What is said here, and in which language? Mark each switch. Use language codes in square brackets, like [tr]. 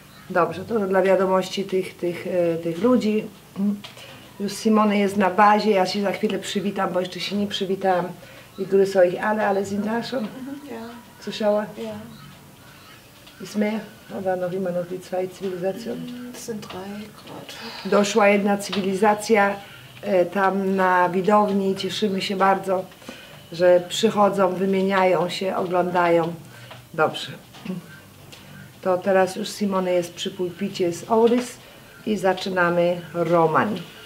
[pl] Dobrze, to dla wiadomości tych ludzi. Już Simone jest na bazie, ja się za chwilę przywitam, bo jeszcze się nie przywitałam. [de] I grüße euch alle, alle sind da schon? Ja. [pl] Słyszała? [de] Ja. Ist mehr? Oder noch immer noch die zwei Zivilisation? Es sind drei gerade. [pl] Doszła jedna cywilizacja tam na widowni. Cieszymy się bardzo, że przychodzą, wymieniają się, oglądają. Dobrze. To teraz już Simone jest przy pulpicie z Auris i zaczynamy Roman.